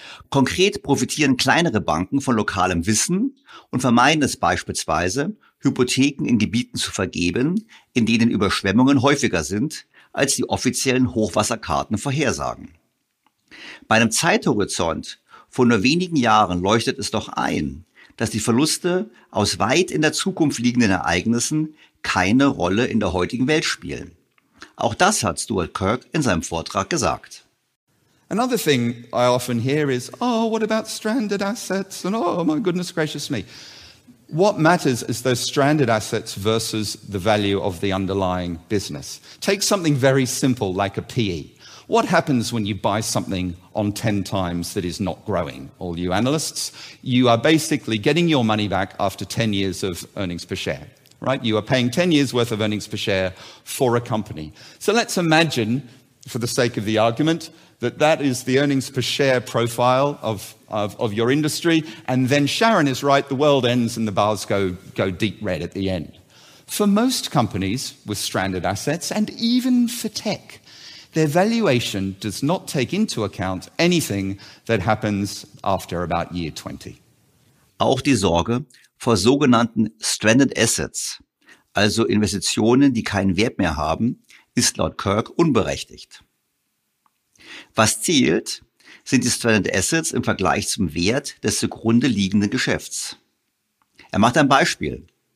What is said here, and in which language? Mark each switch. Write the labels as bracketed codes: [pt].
[de] Konkret profitieren kleinere Banken von lokalem Wissen und vermeiden es beispielsweise, Hypotheken in Gebieten zu vergeben, in denen Überschwemmungen häufiger sind, als die offiziellen Hochwasserkarten vorhersagen. Bei einem Zeithorizont von nur wenigen Jahren leuchtet es doch ein, dass die Verluste aus weit in der Zukunft liegenden Ereignissen keine Rolle in der heutigen Welt spielen. Auch das hat Stuart Kirk in seinem Vortrag gesagt. [en] Another thing I often hear is, oh, what about stranded assets? And oh, my goodness gracious me. What matters is those stranded assets versus the value of the underlying business. Take something very simple like a PE. What happens when you buy something on 10 times that is not growing, all you analysts? You are basically getting your money back after 10 years of earnings per share. Right? You are paying 10 years worth of earnings per share for a company. So let's imagine for the sake of the argument, that that is the earnings per share profile of your industry. And then Sharon is right, the world ends and the bars go deep red at the end. For most companies with stranded assets, and even for tech, their valuation does not take into account anything that happens after about year 20. [de] Auch die Sorge vor sogenannten stranded assets, also Investitionen, die keinen Wert mehr haben, ist laut Kirk unberechtigt. Was zählt, sind die stranded assets im Vergleich zum Wert des zugrunde liegenden Geschäfts. Er macht ein Beispiel.